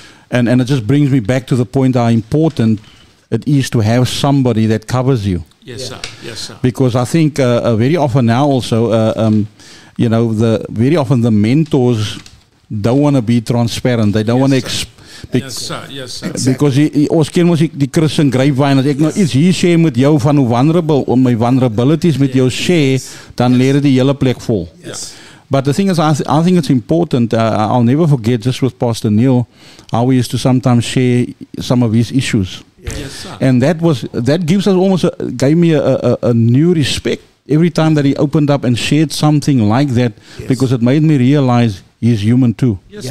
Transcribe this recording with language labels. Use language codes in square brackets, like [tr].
[en] And it just brings me back to the point how important it is to have somebody that covers you. Yes, sir. Because I think very often now also, you know, the very often the mentors don't want to be transparent. They don't want because [af] ons ken mos die Christen [en] grapevine. [af] As ek nou iets hier share met jou van hoe vulnerable om my vulnerabilities met jou share, dan leer die hele plek vol. [en] But the thing is, I think it's important. I'll never forget, just with Pastor Neil, how we used to sometimes share some of his issues. And that gave me a new respect every time that he opened up and shared something like that, because it made me realize he's human too.